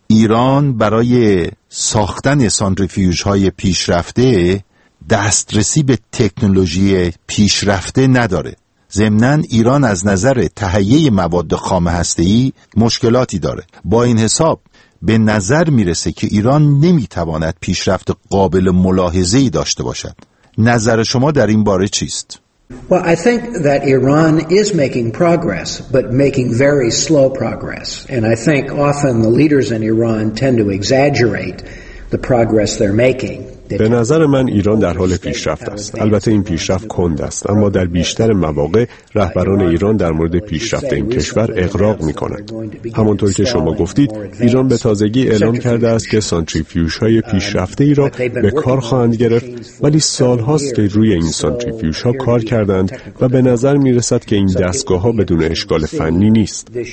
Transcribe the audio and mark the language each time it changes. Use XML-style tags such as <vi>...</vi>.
<fa>ایران برای ساختن سانتریفیوژهای پیشرفته دسترسی به تکنولوژی پیشرفته نداره. ضمناً ایران از نظر تهیه مواد خام هسته‌ای مشکلاتی داره. با این حساب به نظر میرسه که ایران نمیتواند پیشرفت قابل ملاحظه‌ای داشته باشد. نظر شما در این باره چیست؟</fa> <en>Well, I think that Iran is making progress, but making very slow progress. And I think often the leaders in Iran tend to exaggerate the progress they're making.</en> <fa>به نظر من ایران در حال پیشرفت است. البته این پیشرفت کند است، اما در بیشتر مواقع رهبران ایران در مورد پیشرفت این کشور اغراق می کند. همانطور که شما گفتید، ایران به تازگی اعلام کرده است که سانتریفیوژ های پیشرفته ای را به کار خواهند گرفت، ولی سال هاست که روی این سانتریفیوژ ها کار کردند و به نظر می رسد که این دستگاه ها بدون اشکال فنی نیست.</fa>